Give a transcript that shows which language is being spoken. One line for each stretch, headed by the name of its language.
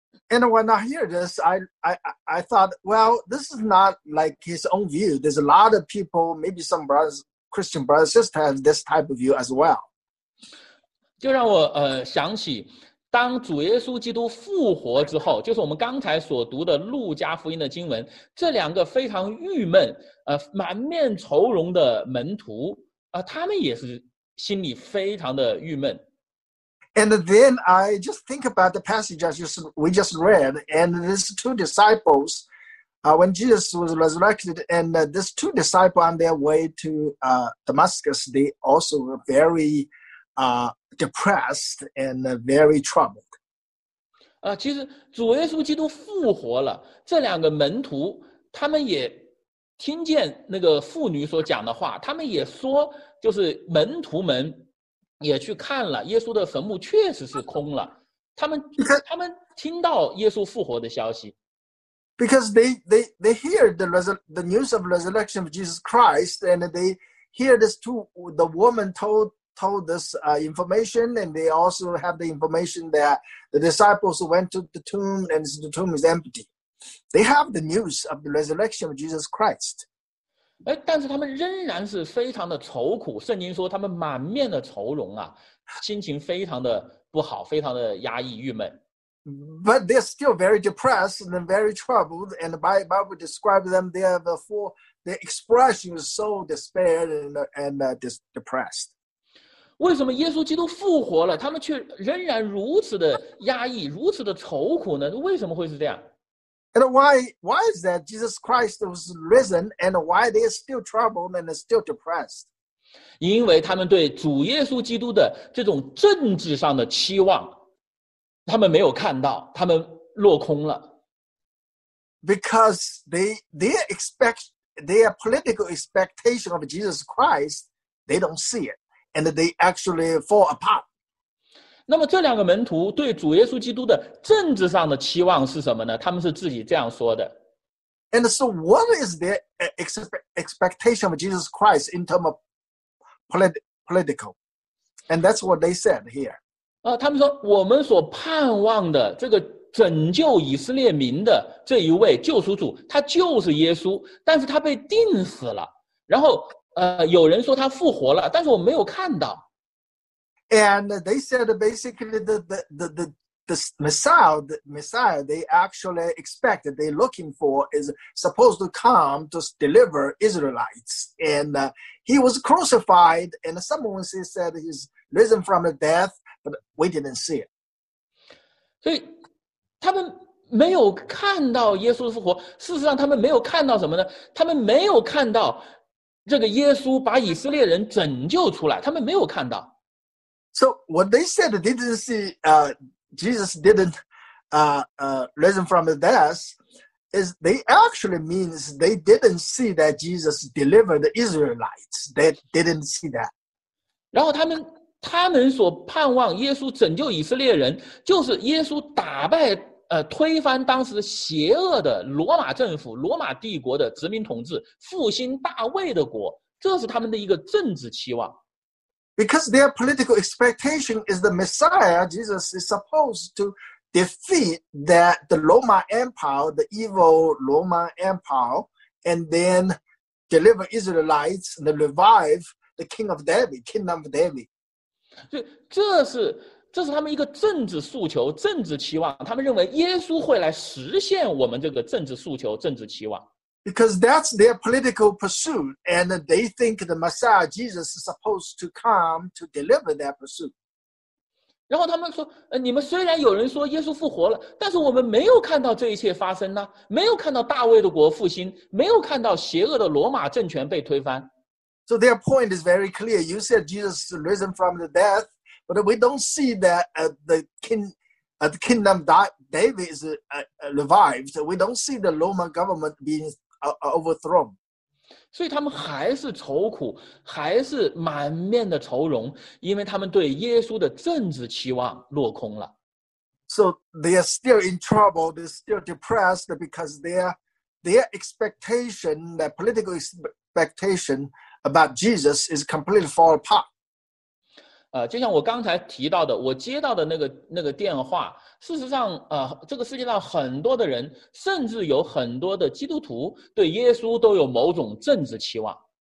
English: And when I hear this, I thought, well, this is not like his own view. There's a lot of people, maybe some brothers, Christian brothers, sisters have this type of view as well.
Chinese: 就让我想起，当主耶稣基督复活之后，就是我们刚才所读的路加福音的经文，这两个非常郁闷满面愁容的门徒他们也是心里非常的郁闷。
English: And then I just think about the passage we just read, and these two disciples, when Jesus was resurrected, and these two disciples on their way to Damascus, they also were very depressed and very troubled.
Chinese: 其实主耶稣基督复活了，这两个门徒他们也听见那个妇女所讲的话，他们也说，就是门徒们也去看了耶稣的坟墓确实是空了，他们听到耶稣复活的消息。
English: Because they hear the news of resurrection of Jesus Christ, and they hear this too, the woman told this information, and they also have the information that the disciples went to the tomb and the tomb is empty. They have the news of the resurrection of Jesus Christ.
Chinese: 哎，但是他们仍然是非常的愁苦，圣经说他们满面的愁容啊，心情非常的不好，非常的压抑郁闷。
English: But they're still very depressed and very troubled, and the Bible describes them, they have the expression is so despaired and depressed.
Chinese: 为什么耶稣基督复活了，他们却仍然如此的压抑，如此的愁苦呢？为什么会是这样？
English: And why is that Jesus Christ was risen, and why they are still troubled and still depressed?
Chinese: 因为他们对主耶稣基督的这种政治上的期望他们没有看到，他们落空了。
English: Because their political expectation of Jesus Christ, they don't see it, and they actually fall apart.
Chinese: 那么这两个门徒对主耶稣基督的政治上的期望是什么呢？他们是自己这样说的。
English: And so what is their expectation of Jesus Christ in terms of political? And that's what they said here.
Chinese: 他们说我们所盼望的这个拯救以色列民的这一位救赎主，他就是耶稣，但是他被钉死了，然后有人说他复活了，但是我没有看到。
English: And they said basically the Messiah they actually expected, they looking for, is supposed to come to deliver Israelites. And he was crucified, and someone said he's risen from the death. But we didn't see it.
Chinese: 所以他们没有看到耶稣复活，事实上他们没有看到什么呢？他们没有看到这个耶稣把以色列人拯救出来，他们没有看到。
English: So what they said they didn't see, Jesus didn't risen from the death, is they actually means they didn't see that Jesus delivered the Israelites. They didn't see that.
Chinese: 然后他们所盼望耶稣拯救以色列人，就是耶稣打败推翻当时邪恶的罗马政府、罗马帝国的殖民统治，复兴大卫的国，这是他们的一个政治期望。
English: Because their political expectation is the Messiah Jesus is supposed to defeat that the Roman Empire, the evil Roman Empire, and then deliver Israelites and revive the King of David, Kingdom of David.
Chinese: 这是他们一个政治诉求、政治期望。他们认为耶稣会来实现我们这个政治诉求、政治期望。
English: Because that's their political pursuit, and they think the Messiah Jesus is supposed to come to deliver that pursuit.
Chinese: 然后他们说，你们虽然有人说耶稣复活了，但是我们没有看到这一切发生呢，没有看到大卫的国复兴，没有看到邪恶的罗马政权被推翻。
English: So their point is very clear. You said Jesus is risen from the death, but we don't see that the kingdom of David is revived. We don't see the Roman government being overthrown.
Chinese: 所以他们还是愁苦，还是满面的愁容，因为他们对耶稣的政治期望落空了。
English: So they are still in trouble. They're still depressed because their expectation, their political expectation,about Jesus is completely fall apart.
Chinese: 就像我刚才提到的，我接到的那个电话，事实上，这个世界上很多的人，甚至有很多的基督徒，对耶稣都有某种政治期望。